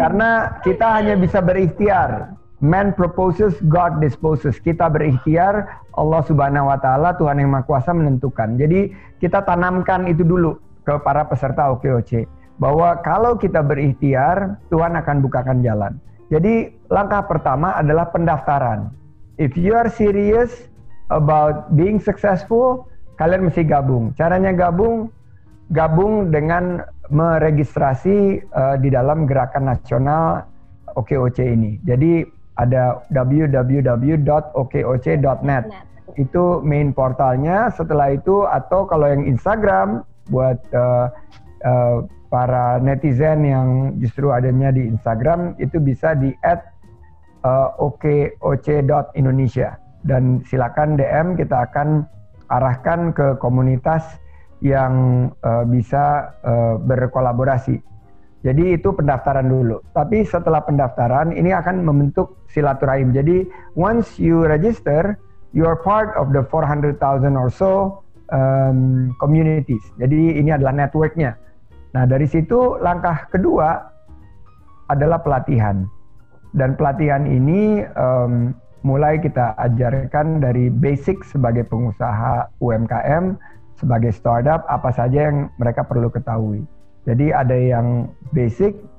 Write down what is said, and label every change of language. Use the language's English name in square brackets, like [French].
[Indonesian] Karena kita hanya bisa berikhtiar. [English] Man proposes, God disposes. [Indonesian] Kita berikhtiar, Allah Subhanahu Wa Taala, Tuhan Yang Maha Kuasa menentukan. Jadi kita tanamkan itu dulu ke para peserta OKOC. Bahwa kalau kita berikhtiar, Tuhan akan bukakan jalan. Jadi langkah pertama adalah pendaftaran. [English] If you are serious about being successful, [Indonesian] kalian mesti gabung. Caranya gabung dengan meregistrasi di dalam gerakan nasional OKOC ini. Jadi ada www.okoc.net. Itu main portalnya. Setelah itu, atau kalau yang Instagram, buat para netizen yang justru adanya di Instagram, itu bisa di @okoc.indonesia. Dan silakan DM, kita akan arahkan ke komunitas yang bisa berkolaborasi. Jadi itu pendaftaran dulu. Tapi setelah pendaftaran, ini akan membentuk silaturahim. Jadi [English] once you register, you are part of the 400,000 or so communities. [Indonesian] Jadi ini adalah networknya. Nah dari situ langkah kedua adalah pelatihan. Dan pelatihan ini mulai kita ajarkan dari basic sebagai pengusaha UMKM, sebagai startup, apa saja yang mereka perlu ketahui. Jadi ada yang basic,